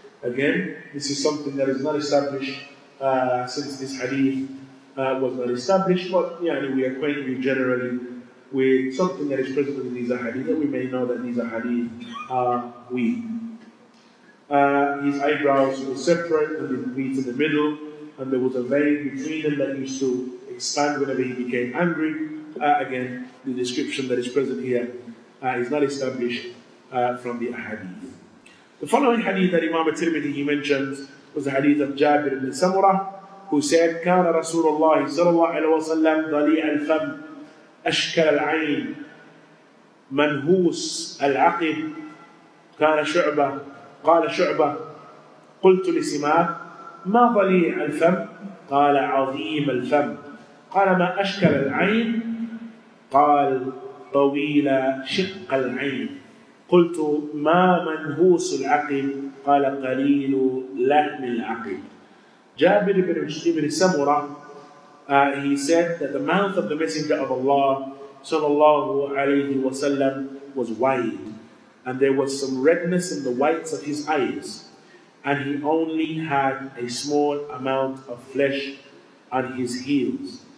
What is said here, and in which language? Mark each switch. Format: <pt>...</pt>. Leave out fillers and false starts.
<en>Again, this is something that is not established since this hadith was not established, but yeah, we acquaint you generally with something that is present in these hadith, that we may know that these hadith are weak. His eyebrows were separate and didn't meet in the middle, and there was a vein between them that used to expand whenever he became angry. Again, the description that is present here is not established from the hadith. The following hadith that Imam al-Tirmidhi he mentions was the hadith of Jabir ibn Samura, who said,</en> <ar>كان رسول الله صلى الله عليه وسلم ضليع الفم أشكل العين منهوس العقب كان شعبة قال شعبة قلت لسماك ما ضليع الفم قال عظيم الفم قال ما أشكل العين قال طويل شق العين قلت ما منهوس العقب قال قليل لحم العقب.</ar> <en>Jabir ibn Samura, he said that the mouth of the Messenger of Allah sallallahu alayhi wa sallam was wide, and there was some redness in the whites of his eyes, and he only had a small amount of flesh on his heels.</en>